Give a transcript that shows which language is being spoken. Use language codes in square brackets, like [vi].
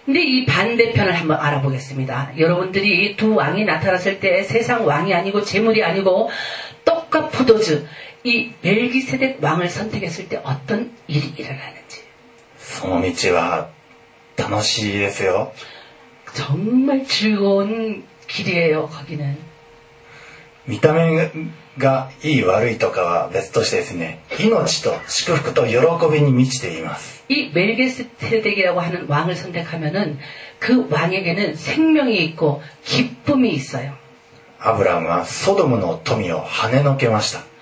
[ko] 근데이반대편을한번알아보겠습니다여러분들이두왕이나타났을때세상왕이아니고재물이아니고떡과포도주이멜기세덱왕을선택했을때어떤일이일어나는지 [ja] その道は楽しいですよ [ko] 정말즐거운길이에요거기는 [ja] 見た目がいい悪いとかは別としてですね命と祝福と喜びに満ちています [ko] いメルゲステデキ라고하는왕을선택하면은그왕에게는생명이있고기쁨이있어요 [ja] アブラハムはソドムの富を跳ねのけました